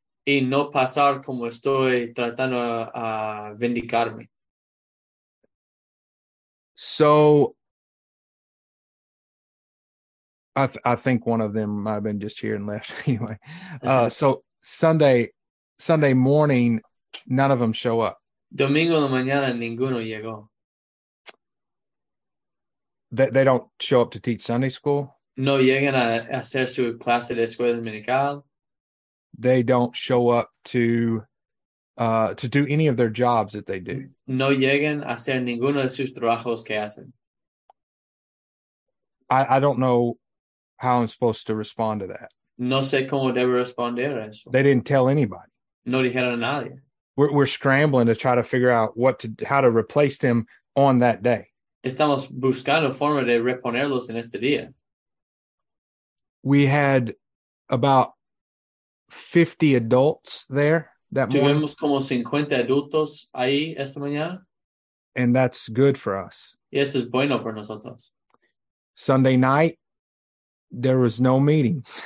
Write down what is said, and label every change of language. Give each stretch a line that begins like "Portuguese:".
Spanish: Y no pasar como estoy tratando a vindicarme.
English: So, I think one of them might have been just here and left anyway. So Sunday morning, none of them show up.
Spanish: Domingo de mañana ninguno llegó.
English: They don't show up to teach Sunday school.
Spanish: No llegan a hacer su clase de escuela dominical.
English: They don't show up to do any of their jobs that they do.
Spanish: No llegan a hacer ninguno de sus trabajos que hacen.
English: I don't know how I'm supposed to respond to that.
Spanish: No sé cómo debo responder a eso.
English: They didn't tell anybody.
Spanish: No dijeron a nadie.
English: We're scrambling to try to figure out how to replace them on that day.
Spanish: Estamos buscando forma de reponerlos en este día.
English: We had about 50 adults there that
Spanish: tuvimos
English: morning.
Spanish: Tuvimos como 50 adultos ahí esta mañana.
English: And that's good for us.
Spanish: Y eso es bueno para nosotros.
English: Sunday night, there was no meeting.